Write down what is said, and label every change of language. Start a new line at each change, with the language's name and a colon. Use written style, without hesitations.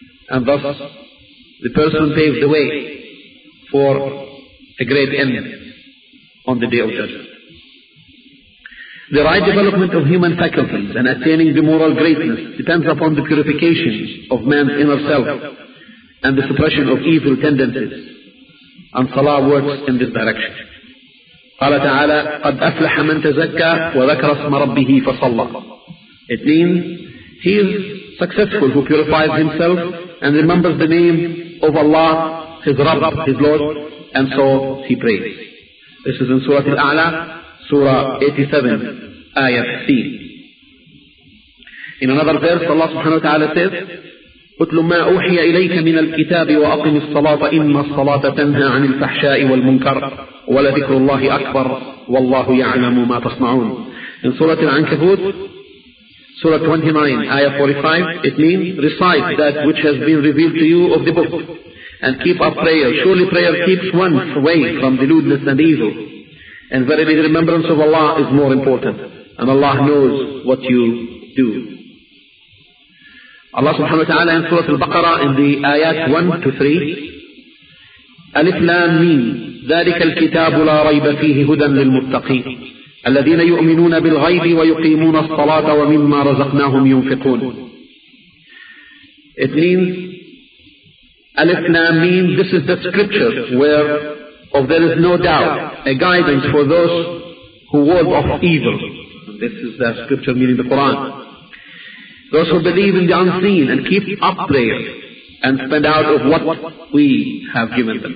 English: And thus, the person paves the way for a great end on the day of judgment. The right development of human faculties and attaining the moral greatness depends upon the purification of man's inner self and the suppression of evil tendencies. And salah works in this direction.
Arabic: قال تعالى قد أفلح من تزكى وذكر اسم ربه فصلى.
English: It means he is successful who purifies himself and remembers the name of Allah, his Rabb, his Lord, and so he prays. This is in Surah Al-A'la, Surah 87, Ayah 15. In another verse, Allah subhanahu wa ta'ala says,
Arabic: اتل ما أوحي إليك من الكتاب وأقم الصلاة إن الصلاة تنهى عن الفحشاء والمنكر ولذكر الله أكبر والله يعلم ما تصنعون.
English: In Surah Al-Ankabut, Surah 29, Ayah 45, it means, recite that which has been revealed to you of the book, and keep up prayer. Surely prayer keeps one away from deludeness and evil. And verily the remembrance of Allah is more important. And Allah knows what you do. Allah subhanahu wa ta'ala in Surah Al-Baqarah in the Ayat 1 to 3, Alif Lam Mim,
Arabic: ذلك الكتاب لا ريب فيه هدى للمتقين الذين يؤمنون بالغيب ويقيمون الصلاة ومما رزقناهم ينفقون.
English: It means Alif Lam Mim, this is the scripture where of there is no doubt, a guidance for those who walk of evil. This is the scripture meaning the Quran. Those who believe in the unseen and keep up prayer and spend out of what we have given them.